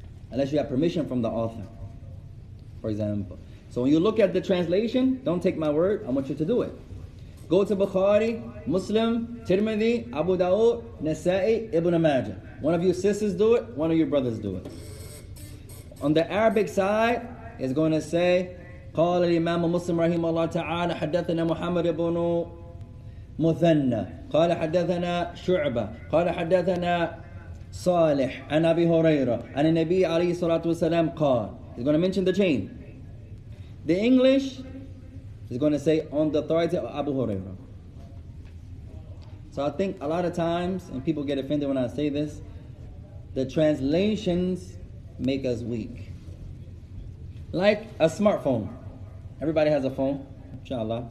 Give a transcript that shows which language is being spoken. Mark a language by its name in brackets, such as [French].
[English] Unless you have permission from the author, for example. So when you look at the translation, don't take my word, I want you to do it. Go to Bukhari, Muslim, Tirmidhi, Abu Dawud, Nasa'i, Ibn Majah. One of your sisters do it, one of your brothers do it. On the Arabic side, it's going to say, [Arabic] قال الإمام مسلم رحمه الله تعالى حدثنا محمد بن مثنى قال حدثنا شعبة قال حدثنا صالح عن أبي هريرة عن النبي عليه الصلاة والسلام قال. [English] He's going to mention the chain. The English is going to say on the authority of Abu Huraira. So I think a lot of times, and people get offended when I say this, the translations make us weak. Like a smartphone. Everybody has a phone, inshallah.